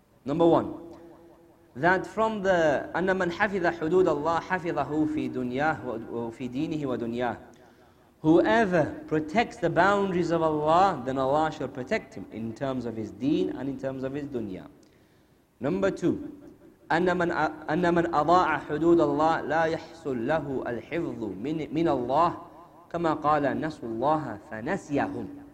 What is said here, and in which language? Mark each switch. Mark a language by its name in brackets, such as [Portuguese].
[English] Number one, that from the [Arabic] أن من حفظ حدود الله حفظه في دنياه وفي دينه ودنياه. [English] Whoever protects the boundaries of Allah, then Allah shall protect him in terms of his deen and in terms of his dunya. Number two, [Arabic] أن من أضاع حدود الله لا يحصل له الحفظ من الله كما قال نسوا الله فنسيهم.